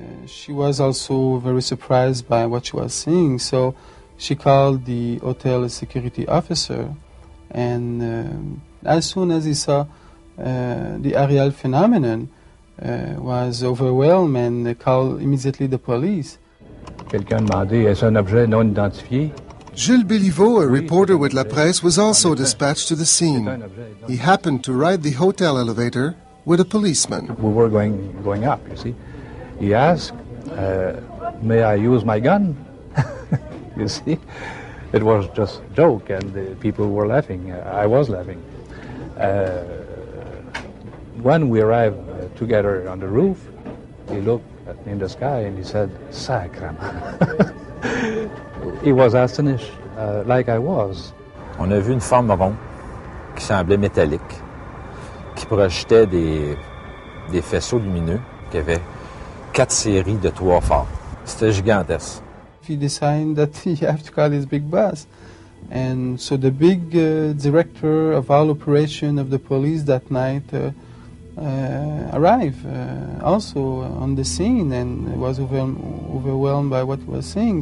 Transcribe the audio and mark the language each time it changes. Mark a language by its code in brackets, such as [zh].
[en] She was also very surprised by what she was seeing, so she called the hotel security officer, and as soon as he saw the aerial phenomenon, was overwhelmed and called immediately the police. [fr] Quelqu'un m'a dit, est-ce un objet non identifié? [en] Gilles Béliveau, a reporter with La Presse, was also dispatched to the scene. He happened to ride the hotel elevator with a policeman. We were going up, you see. He asked, may I use my gun? You see, it was just a joke and the people were laughing. I was laughing. When we arrived together on the roof, he looked in the sky and he said, Sacrament. He was astonished, like I was. [fr] On a vu une forme ronde qui semblait métallique, qui projetait des faisceaux lumineux, qui avait quatre séries de trois phares. C'était gigantesque. [en] He decided that he had to call his big boss. And so the big director of all operation of the police that night arrived also on the scene and was overwhelmed by what he was seeing.